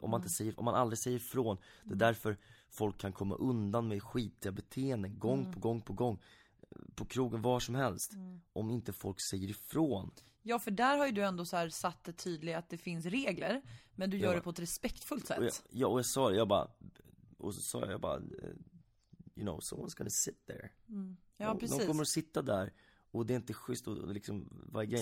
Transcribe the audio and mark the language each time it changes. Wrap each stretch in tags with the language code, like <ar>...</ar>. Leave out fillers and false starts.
<sv>Om man inte säger, om man aldrig säger ifrån. Det är därför folk kan komma undan med skitiga beteenden gång på gång på gång. På krogen, var som helst. Om inte folk säger ifrån. Ja, för där har ju du ändå så här satt det tydligt att det finns regler, men du gör det på ett respektfullt sätt.</sv> <en>Och jag sa, you know, someone's gonna sit there.</en> <sv>Ja, och precis. De kommer att sitta där och det är inte schysst och liksom, vad är grejen?</sv>